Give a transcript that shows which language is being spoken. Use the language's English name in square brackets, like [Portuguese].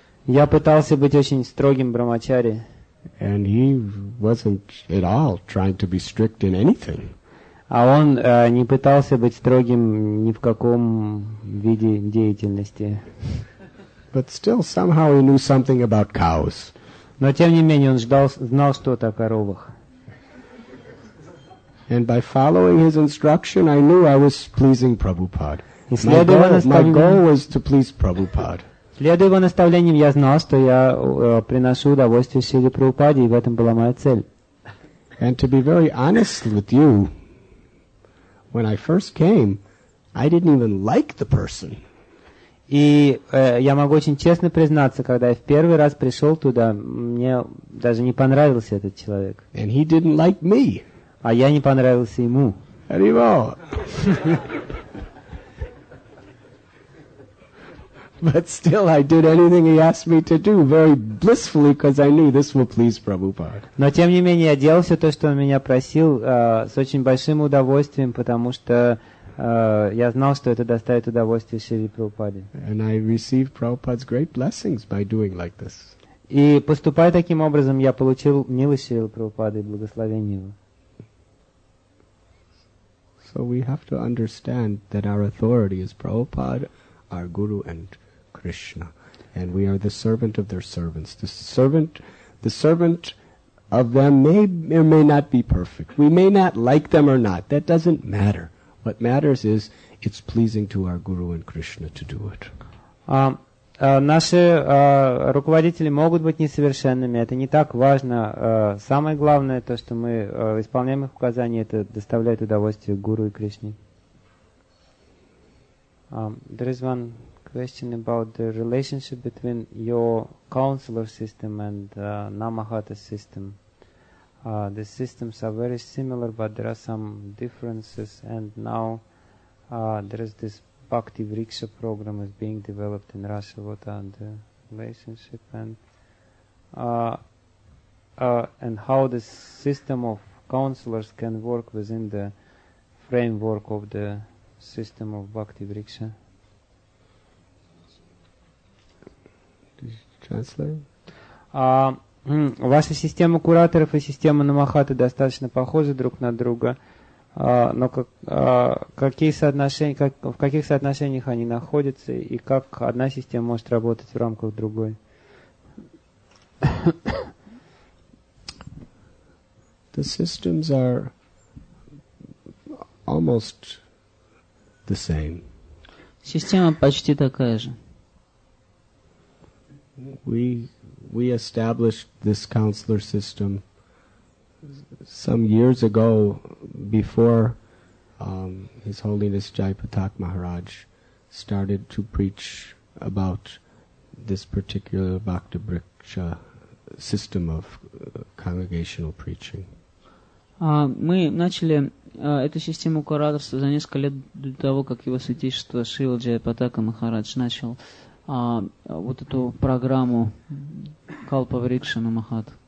[Russian] Я пытался быть очень строгим брахмачари. [English] And he wasn't at all trying to be strict in anything. [Russian] А он не пытался быть строгим ни в каком виде деятельности. [English] But still, somehow, he knew something about cows. [Russian] Но тем не менее он знал что-то о коровах. [English] And by following his instruction, I knew I was pleasing Prabhupada. My goal was to please Prabhupada. [Russian] Следуя его наставлениям, я знал, что я приношу удовольствие Шриле Прабхупаде, и в этом была моя цель. [English] And to be very honest with you, when I first came, I didn't even like the person. [Russian] И я могу очень честно признаться, когда я в первый раз пришел туда, мне даже не понравился этот человек. [English] And he didn't like me. [Russian] А я не понравился ему. [English] Anymore. But still, I did anything he asked me to do very blissfully, because I knew this will please Prabhupada. [Russian] Но тем не менее я делал все то, что он меня просил, с очень большим удовольствием, потому что я знал, что это доставит удовольствие Шриле Прабхупаде. [English] And I received Prabhupada's great blessings by doing like this. [Russian] И поступая таким образом, я получил милость Шриле Прабхупаде и благословение его. [English] So we have to understand that our authority is Prabhupada, our Guru and Krishna, and we are the servant of their servants. The servant of them may or may not be perfect. We may not like them or not. That doesn't matter. What matters is it's pleasing to our Guru and Krishna to do it. [Russian] Наши руководители могут быть несовершенными. Это не так важно. Самое главное то, что мы исполняем их указания, это доставляет удовольствие Гуру и Кришне. [English] There is one question about the relationship between your counselor system and Namahata system. The systems are very similar, but there are some differences. And now there is this Bhakti Vriksha program is being developed in Russia. What are the relationship and how the system of counselors can work within the framework of the system of Bhakti Vriksha? Chancellor? [Russian] Ваша система кураторов и система Намахаты достаточно похожи друг на друга, но в каких соотношениях они находятся и как одна система может работать в рамках другой? [English] The systems are almost the same. [Russian] Система почти такая же. [English] We established this counselor system some years ago before His Holiness Jaipatak Maharaj started to preach about this particular Bhakti Briksha system of congregational preaching. [Russian] Мы начали эту систему кураторства за несколько лет до того, как Его Святейшество Шрила Джайпатака Махарадж начал вот эту программу Калпа Врикша Намахат.